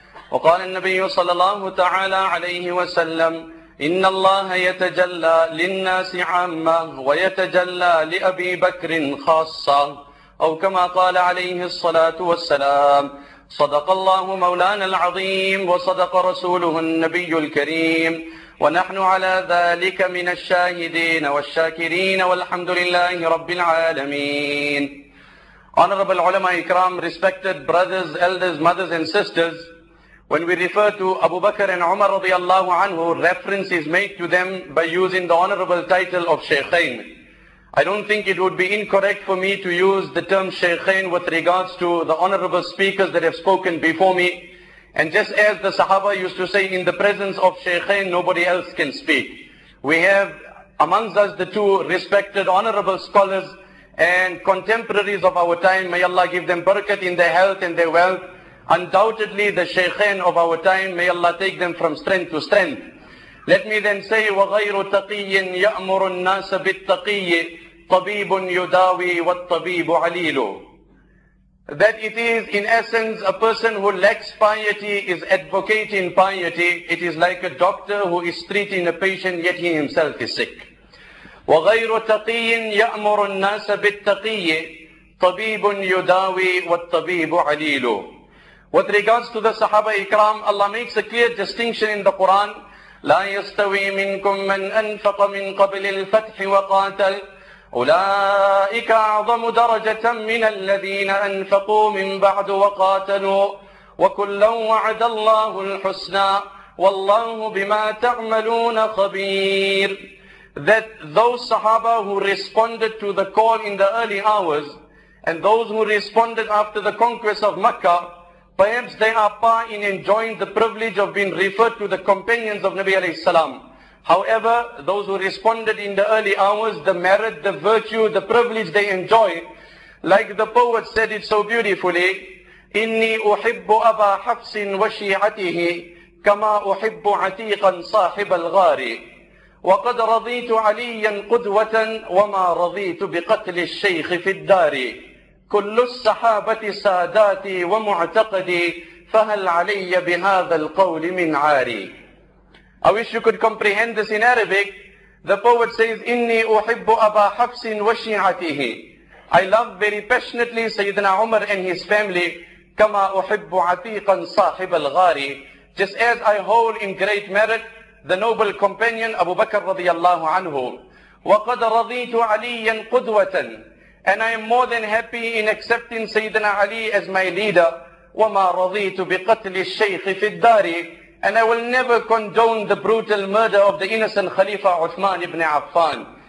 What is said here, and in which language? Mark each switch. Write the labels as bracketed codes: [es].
[ar] وقال النبي صلى الله تعالى عليه وسلم: إن الله يتجلى للناس عامة ويتجلى لأبي بكر خاصة، أو كما قال عليه الصلاة والسلام. صدق الله مولانا العظيم وصدق رسوله النبي الكريم، ونحن على ذلك من الشاهدين والشاكرين، والحمد لله رب العالمين. [en] Honorable ulama ikram, respected brothers, elders, mothers and sisters, when we refer to Abu Bakr and Umar radiallahu anhu, reference is made to them by using the honorable title of Shaykhain. I don't think it would be incorrect for me to use the term Shaykhain with regards to the honorable speakers that have spoken before me. And just as the Sahaba used to say, in the presence of Shaykhain, nobody else can speak. We have amongst us the two respected honorable scholars and contemporaries of our time. May Allah give them barakat in their health and their wealth. Undoubtedly the Shaykhain of our time, may Allah take them from strength to strength. Let me then say, [ar] وَغَيْرُ تَقِيٍّ يَأْمُرُ النَّاسَ بِالتَّقِيِّ طَبِيبٌ يُدَاوِي وَالطَّبِيبُ عَلِيلُ. [en] That it is in essence a person who lacks piety is advocating piety. It is like a doctor who is treating a patient yet he himself is sick. [ar] وَغَيْرُ تَقِيٍّ يَأْمُرُ النَّاسَ بِالتَّقِيِّ طَبِيبٌ يُدَاوِي وَالطَّبِيبُ عَلِيلُ. [en] With regards to the Sahaba Ikram, Allah makes a clear distinction in the Quran. [ar] لا يستوي منكم من أنفق من قبل الفتح وقاتل أولئك أعظم درجة من الذين أنفقوا من بعد وقاتلوا وكلا وعد الله الحسنى والله بما تعملون خبير. [en] That those Sahaba who responded to the call in the early hours and those who responded after the conquest of Mecca, perhaps they are far in enjoying the privilege of being referred to the companions of Nabi alayhi salam. However, those who responded in the early hours, the merit, the virtue, the privilege they enjoy, like the poet said it so beautifully, [ar] Inni uhibbu aba hafsin wa shi'atihi kama uhibbu atiqan sahib al-ghari wa qad radhitu aliyan qudwatan wa ma radhitu bi qatli al-shaykh fi al-dari. كل الصحابة ساداتي ومعتقدي فهل علي بهذا القول من عاري. [en] I wish you could comprehend this in Arabic. The poet says, [ar] إني أحب أبا حفص وشيعته. [en] I love very passionately Sayyidina Umar and his family. [ar] كما أحب عتيقا صاحب الغاري. [en] Just as I hold in great merit the noble companion Abu Bakr [ar] رضي الله عنه. وقد رضيت عليا قدوة. [en] And I am more than happy in accepting Sayyidina Ali as my leader. [ar] وَمَا رَضِيتُ بِقَتْلِ الشَّيْخِ فِي الدَّارِ. [en] And I will never condone the brutal murder of the innocent Khalifa Uthman ibn Affan.